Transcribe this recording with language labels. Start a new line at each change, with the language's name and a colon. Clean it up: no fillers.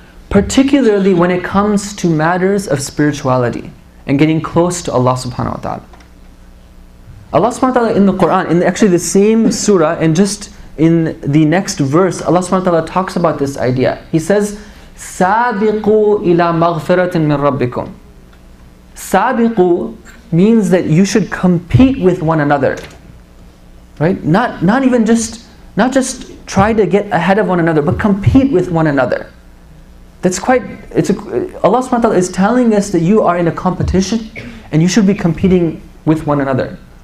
English: Particularly when it comes to matters of spirituality and getting close to Allah subhanahu wa ta'ala. Allah subhanahu wa ta'ala in the Quran, in actually the same surah, and just in the next verse, Allah subhanahu wa ta'ala talks about this idea. He says,
Arabic: سَابِقُوا إِلَى مَغْفِرَةٍ مِّن رَبِّكُمْ.
English: سَابِقُوا means that you should compete with one another. Right? Not just try to get ahead of one another, but compete with one another. Allah subhanahu wa ta'ala is telling us that you are in a competition and you should be competing with one another.